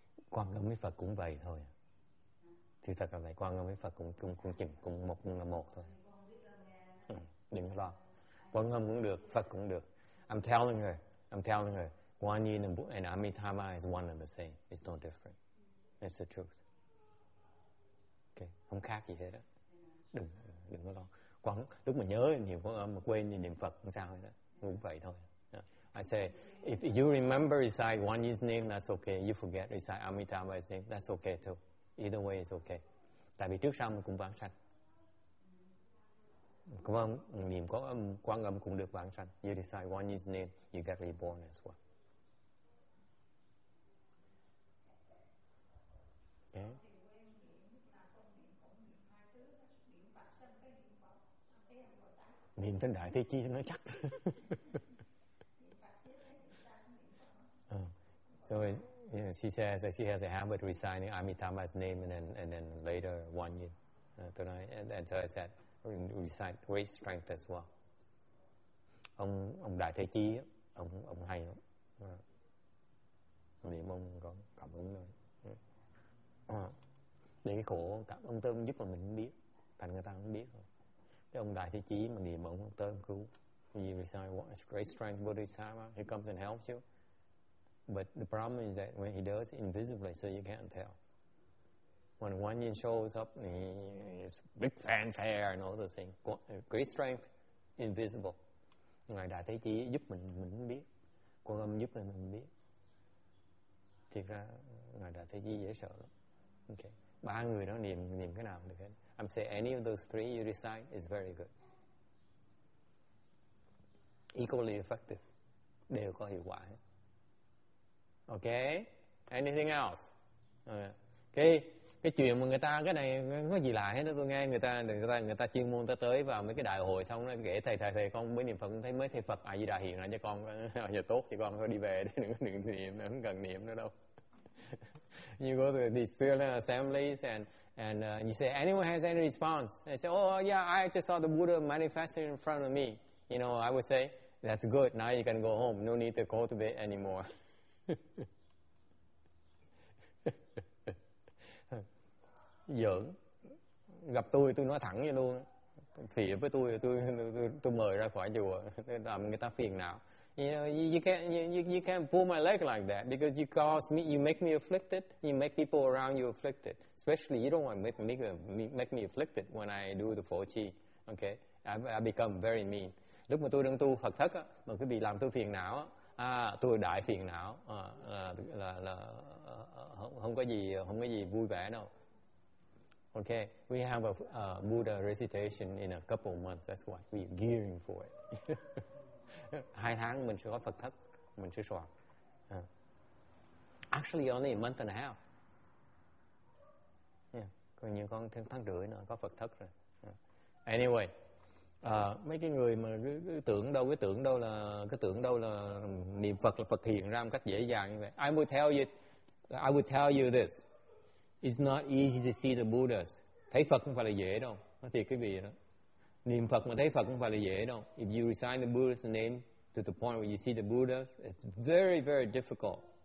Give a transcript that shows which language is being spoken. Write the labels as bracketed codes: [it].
[vi] Quan Âm với Phật cũng vậy thôi. Thì thật là vậy, Quan Âm với Phật cũng một thôi. Đừng lo. Quan Âm cũng được, Phật cũng được. [en] I'm telling her. Quan Yin and Amitabha is one and the same. It's no different. It's the truth. Okay, [vi] không khác gì hết á. Đừng có lo. Quan, lúc mà nhớ niệm Quan Âm mà quên niệm Phật không sao hết á. Cũng vậy thôi. [en] Yeah. I say, if you remember recite Quan Yin's name, that's okay. You forget recite Amitabha's name, that's okay too. Either way is okay. [vi] Tại vì trước sau mình cũng vãng sanh. Không, niệm Quan Âm cũng được vãng sanh. [en] You recite Quan Yin's name, you get reborn as well. [vi] Niệm tên Đại Thế Chi nó chắc. [en] So she says that she has a habit of reciting Amitabha's name and then later one year. And so I said, recite great strength as well. [vi] Ông Đại Thế Chi, ông hay lắm. Niệm ông có cảm ứng rồi. Để cái khổ cảm ông tới ông giúp mà mình không biết, thành người ta không biết rồi. Cái ông Đại Thế Chí mà niệm ông tới ông cứu. [en] You recite what great strength Bodhisattva, he comes and helps you. But the problem is that when he does invisibly, so you can't tell. When Quan Yin shows up, he is big fanfare and all the thing. Great strength, invisible. [vi] Ngài Đại Thế Chí giúp mình không biết. Quan Âm giúp mình không biết. Thiệt ra Ngài Đại Thế Chí dễ sợ lắm. Okay. Ba người đó niệm cái nào cũng được hết. [en] I'm saying any of those three you recite is very good. Equally effective. [vi] Đều có hiệu quả hết. [en] Okay? Anything else? Okay. [vi] Cái chuyện mà người ta cái này có gì lạ hết đó. Tôi nghe người ta chuyên môn ta tới vào mấy cái đại hội xong nó kể thầy con mới niệm Phật, thấy mấy thầy Phật A Di Đà hiện ra cho con. Giờ tốt thì con thôi đi về đi, đừng niệm, không cần niệm nữa đâu. [en] You go to these spiritual assemblies and you say, anyone has any response? They say, oh yeah, I just saw the Buddha manifesting in front of me. You know, I would say, that's good. Now you can go home. No need to cultivate anymore. [vi] Giỡn. Gặp tôi nói thẳng vậy luôn. Phỉ với tôi mời ra khỏi chùa. Làm người ta phiền não. [en] You know, you can't pull my leg like that because you cause me, you make me afflicted, you make people around you afflicted. Especially, you don't want to make me afflicted when I do the Pho Chi, okay? I become very mean. [vi] Lúc mà tôi đang tu Phật thất á, mà quý vị làm tôi phiền não á, tôi đại phiền não, là không có gì vui vẻ đâu. [en] Okay, we have a Buddha recitation in a couple of months. That's why we're gearing for it. [vi] 2 tháng mình sẽ có Phật thất, mình sẽ soạn. [en] Actually, only a month and a half. [vi] Yeah, còn những con tháng rưỡi nữa có Phật thất rồi. Anyway, mấy cái người mà cứ tưởng đâu là niệm Phật là Phật hiện ra một cách dễ dàng như vậy. [en] I will tell you this. It's not easy to see the Buddhas. [vi] Thấy Phật không phải là dễ đâu. Nói thiệt quý vị đó. Niệm Phật mà thấy Phật không phải là dễ đâu. [en] If you recite the Buddha's name to the point where you see the Buddhas, it's very, very difficult.